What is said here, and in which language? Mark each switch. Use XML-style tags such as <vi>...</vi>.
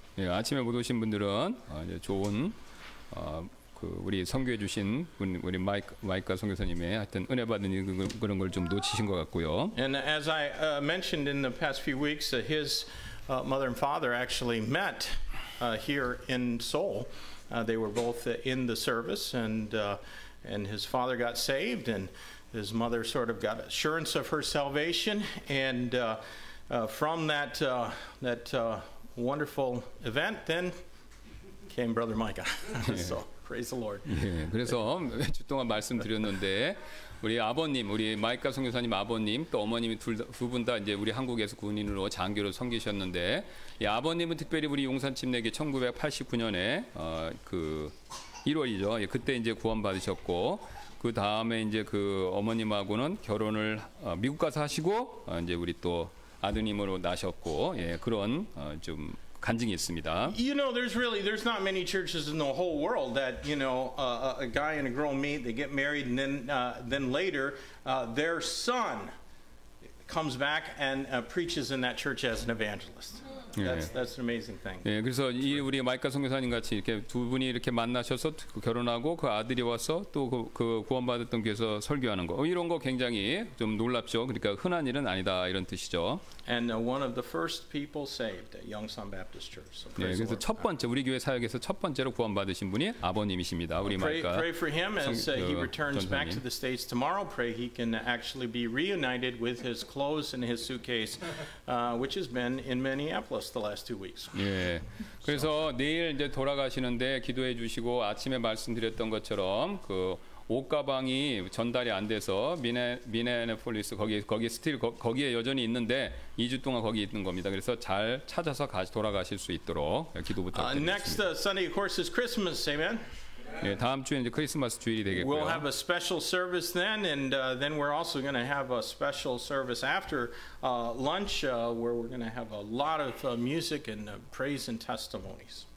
<ko>예, 아침에 못 오신 분들은 이제 좋은 그 우리 선교해 주신 분 우리 마이카 선교사님의 하여튼 은혜 받은 그런 걸 좀 놓치신 것 같고요.</ko> <en>And as I mentioned in the past few weeks, his mother and father actually met. Here in Seoul, they were both in the service, and his father got saved, and his mother sort of got assurance of her salvation, and from that wonderful event, then came Brother Micah. So praise the Lord.</en> <ko>예, 그래서 주 동안 말씀드렸는데 우리 아버님, 우리 마이카 선교사님 아버님 또 어머님이 둘 다, 두 분 다 이제 우리 한국에서 군인으로 장교로 섬기셨는데. 예, 아버님은 특별히 우리 용산침례교 1989년에 그 1월이죠. 예, 그때 이제 구원 받으셨고 그 다음에 이제 그 어머님하고는 결혼을 미국 가서 하시고 이제 우리 또 아드님으로 나셨고 예, 그런 좀 간증이 있습니다.</ko> <en>You know, there's really there's not many churches in the whole world that you know a guy and a girl meet, they get married, and then later their son comes back and preaches in that church as an evangelist. That's an amazing thing.</en> <ko>예, 그래서 이 우리 마이카 선교사님 같이 이렇게 두 분이 이렇게 만나셔서 결혼하고 그 아들이 와서 또 그 구원받았던 교회에서 설교하는 거 이런 거 굉장히 좀 놀랍죠. 그러니까 흔한 일은 아니다 이런 뜻이죠.</ko> <en>And one of the first people saved at Yongsan Baptist Church. So praise</en> <ko>예, 그래서 첫 번째 우리 교회 사역에서 첫 번째로 구원받으신 분이 아버님이십니다. 우리 마이카.</ko> <en>Pray for him as he returns back to the States tomorrow. Pray he can actually be reunited with his clothes and his suitcase, which has been in Minneapolis. The last two weeks.</en> <ko>예, 그래서 so. 내일 이제 돌아가시는데 기도해 주시고 아침에 말씀드렸던 것처럼 그 옷 가방이 전달이 안 돼서 미네아폴리스 거기 스틸 거기에 여전히 있는데 2주 동안 거기 있는 겁니다. 그래서 잘 찾아서 다시 돌아가실 수 있도록 기도 부탁드립니다.</ko> <en>Next Sunday, of course, is Christmas. Amen.</en> <ko>예, 다음 주에 이제 크리스마스 주일이 되겠고요.</ko> <en>We'll have a special service then, and then we're also going to have a special service after lunch, where we're going to have a lot of music and praise and testimonies.</en>